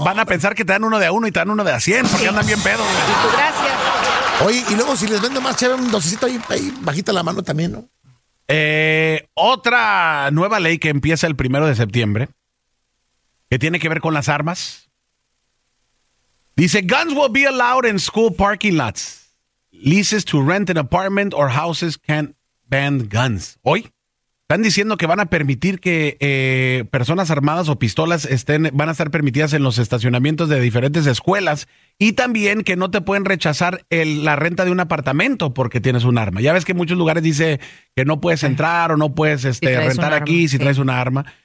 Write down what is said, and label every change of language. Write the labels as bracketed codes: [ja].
[es] Van a pensar que te dan uno de a uno y te dan uno de a 100 porque andan bien pedos. Gracias. Oye, y luego si les vendo más chévere, un docecito ahí bajita la mano también, ¿no? Otra nueva ley que empieza el primero de septiembre, que tiene que ver con las armas. Dice, [en] guns will be allowed in school parking lots. Leases to rent an apartment or houses can't ban guns. [es] Hoy están diciendo que van a permitir que personas armadas o pistolas van a estar permitidas en los estacionamientos de diferentes escuelas. Y también que no te pueden rechazar la renta de un apartamento porque tienes un arma. Ya ves que en muchos lugares dice que no puedes entrar o no puedes rentar aquí si traes una arma.